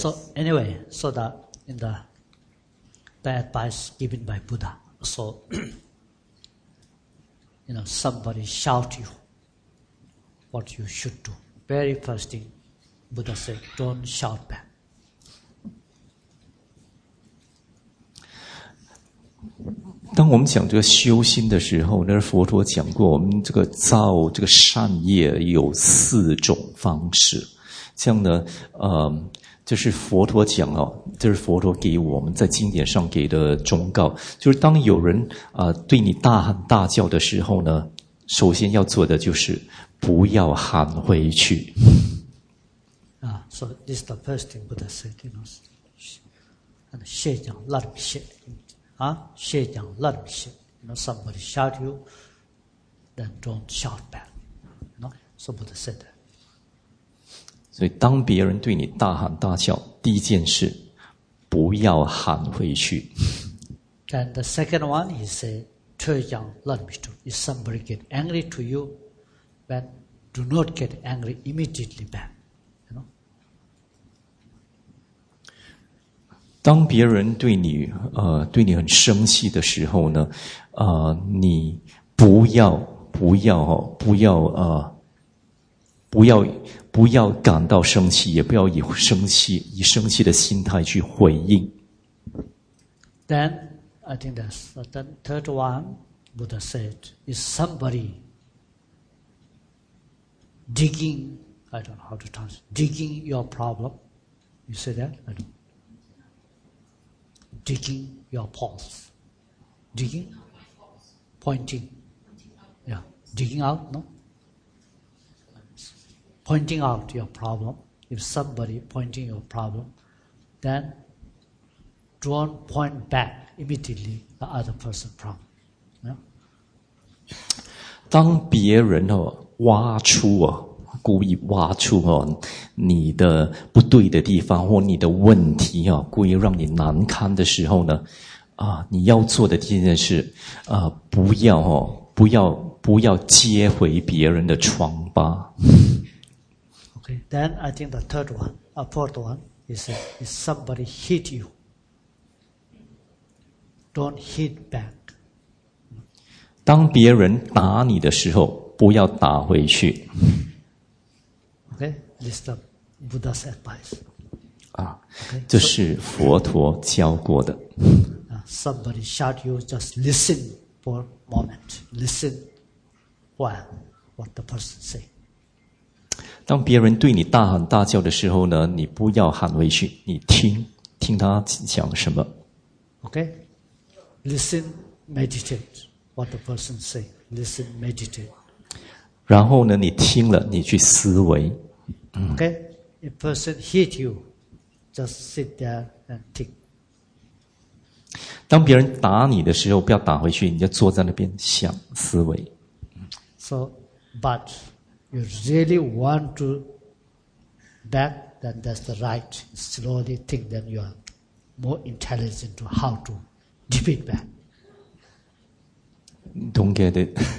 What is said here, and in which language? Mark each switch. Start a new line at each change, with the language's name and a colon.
English: So anyway, so that in the advice given by Buddha, so you know somebody shout you. What you should do. Very first thing, Buddha said, don't shout back.
Chinese: 当我们讲这个修心的时候，那是佛陀讲过，我们这个造这个善业有四种方式。这样呢，这是佛陀讲哦，这是佛陀给我们在经典上给的忠告，就是当有人对你大喊大叫的时候呢，首先要做的就是不要喊回去。
English: So this is the first thing Buddha said, you know. And
Tibetan: she jang lar mi she. She jang lar mi she.
English: You know, somebody shout you, then don't shout back. You know? So Buddha said that.
Chinese: 所以当别人对你大喊大叫，第一件事，不要喊回去。
English: Then the second one, he said,
Tibetan: Chui jang lar mi tu.
English: If somebody get angry to you, then do not get angry immediately back. You know?
Chinese: 当别人对你很生气的时候呢，你不要感到生气，也不要以生气的心态去回应。
English: Then. I think that's the third one, Buddha said, is somebody digging, I don't know how to translate, digging your problem. You say that? I don't. Digging your pulse. Digging? Pointing. Yeah. Digging out, no? Pointing out your problem. If somebody pointing your problem, then don't point back. Immediately, the other person problem. Yeah?
Chinese: 当别人挖出故意挖出你的不对的地方或你的问题故意让你难堪的时候呢，你要做的第一件事，不要接回别人的疮疤。
English: Okay, then I think the third one, a fourth one, is somebody hit you. Don't hit back.
Chinese: 当别人打你的时候，不要打回去。
English: Okay, this is the Buddha's advice.
Chinese: Okay, 这是佛陀教过的。
English: Somebody shout you, just listen for a moment. Listen while what the person say.
Chinese: 当别人对你大喊大叫的时候呢，你不要喊回去，你听听他讲什么。
English: Okay. Listen, meditate. What the person say? Listen, meditate.
Chinese: 然后呢，你听了，你去思维。
English: Okay, if person hit you, just sit there and think.
Chinese: 当别人打你的时候，不要打回去，你就坐在那边想思维。
English: So, but you really want to back, then that's the right. Slowly think, then you are more intelligent to how to. Defeat back. Don't get it.